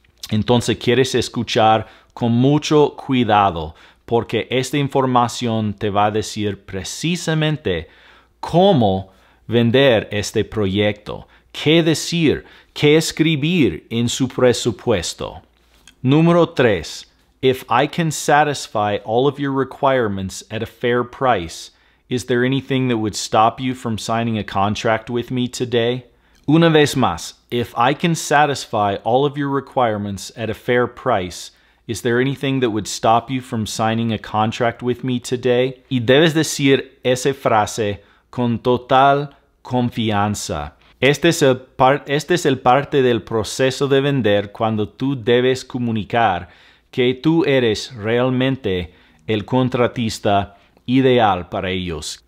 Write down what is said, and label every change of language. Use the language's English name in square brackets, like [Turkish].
[Spanish] Entonces, quieres escuchar con mucho cuidado, porque esta información te va a decir precisamente cómo vender este proyecto, qué decir, qué escribir en su presupuesto. Número 3. [English] If I can satisfy all of your requirements at a fair price, is there anything that would stop you from signing a contract with me today? [Spanish] Una vez más, [English] if I can satisfy all of your requirements at a fair price, is there anything that would stop you from signing a contract with me today? [Spanish] Y debes decir esa frase con total confianza. Este es el parte del proceso de vender cuando tú debes comunicar que tú eres realmente el contratista ideal para ellos.